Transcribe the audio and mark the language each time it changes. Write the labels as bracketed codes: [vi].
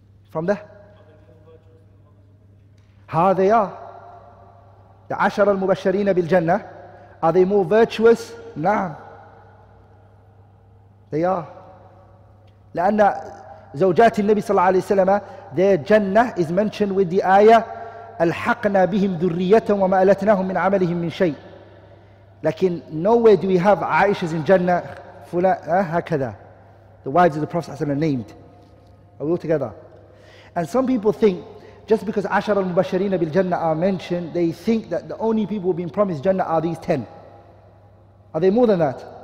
[en] From there? How they are? The Ashar al-Mubashirin bil Jannah, are they more virtuous? [ar] Naam. [en] They are. [ar] لأن زوجات النبي صلى الله عليه وسلم, [en] their Jannah is mentioned with the ayah, [ar] أَلْحَقْنَا بِهِمْ ذُرِّيَّةً وَمَا أَلَتْنَاهُمْ مِنْ عَمَلِهِمْ مِنْ شَيْءٍ. لكن [en] nowhere do we have Aisha's in Jannah, [ar] هكذا. [en] The wives of the Prophet ﷺ named. Are we all together? And some people think, just because Ashar al-Mubashirin bil Jannah are mentioned, they think that the only people being promised Jannah are these 10. Are they more than that?